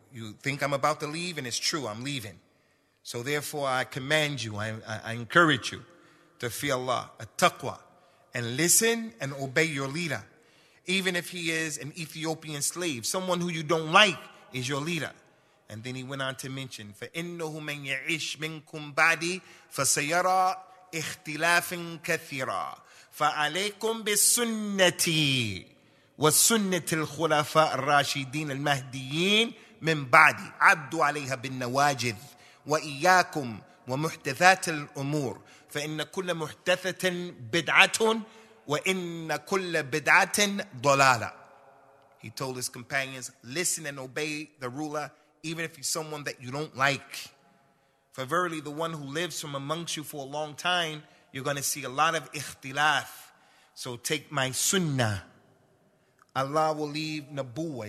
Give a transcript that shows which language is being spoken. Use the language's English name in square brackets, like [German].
[English] You think I'm about to leave, and it's true, I'm leaving. So therefore I command you, I encourage you to fear Allah, a taqwa. And listen and obey your leader. Even if he is an Ethiopian slave, someone who you don't like is your leader. And then he went on to mention, [Arabic] فَإِنَّهُ مَنْ يَعِشْ مِنْكُمْ بَعْدِي فَسَيَرَى اِخْتِلَافٍ كَثِيرًا فَعَلَيْكُمْ بِسُنَّتِي وَسُنَّةِ الْخُلَفَاءِ الرَّاشِدِينَ الْمَهْدِيِّينَ مِنْ بَعْدِي عَبْدُ عَلَيْهَا بِالنَّوَاجِذِ وَإِيَّاكُمْ وَمُحْدَثَاتِ الْأُمُورِ فَإِنَّ كُلَّ مُحْتَثَةٍ بِدْعَةٌ وَإِنَّ كُلَّ بِدْعَةٍ ضَلَالَةٍ. [English] He told his companions, listen and obey the ruler, even if he's someone that you don't like. For verily, the one who lives from amongst you for a long time, you're going to see a lot of ikhtilaf. So take my sunnah. Allah will leave nabuwa.